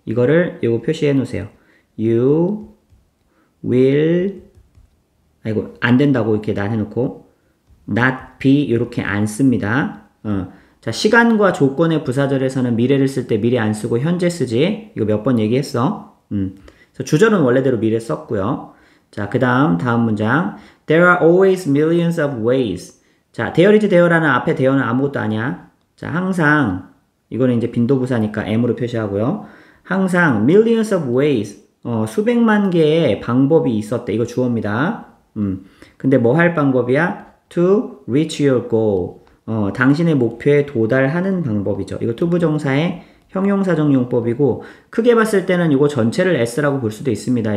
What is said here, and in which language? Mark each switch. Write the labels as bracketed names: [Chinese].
[Korean] 이거를 요거 표시해 놓으세요. You will 아이고 안 된다고 이렇게 난 해놓고. not be, 이렇게 안 씁니다. 자, 시간과 조건의 부사절에서는 미래를 쓸때 미래 안 쓰고 현재 쓰지. 이거 몇번 얘기했어? 그래서 주절은 원래대로 미래 썼고요. 자, 그 다음 문장. [English] There are always millions of ways. [Korean] 자, there is there라는 앞에 there는 아무것도 아니야. 자, 항상, 이거는 이제 빈도부사니까 m으로 표시하고요. [English] 항상 millions of ways. [Korean] 수백만 개의 방법이 있었대. 이거 주어입니다. 근데 뭐할 방법이야? [English] To reach your goal. [Korean] 당신의 목표에 도달하는 방법이죠. 이거 to 부정사의 형용사적 용법이고, 크게 봤을 때는 이거 전체를 S라고 볼 수도 있습니다.